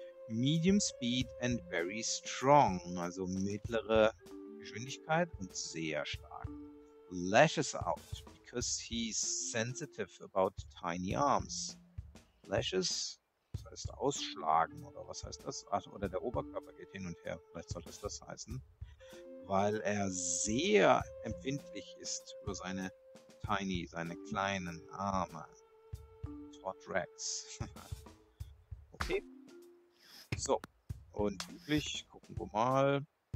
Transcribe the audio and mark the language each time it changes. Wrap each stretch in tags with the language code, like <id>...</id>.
<en>Medium speed and very strong.</en> <de>Also mittlere Geschwindigkeit und sehr stark.</de> <en>Lashes out, because he's sensitive about tiny arms.</en> <de>Lashes, was heißt ausschlagen oder was heißt das? Ach, oder der Oberkörper geht hin und her, vielleicht soll das das heißen. Weil er sehr empfindlich ist über seine tiny, seine kleinen Arme. Todd Rex. Okay. So, und üblich, gucken wir mal.</de>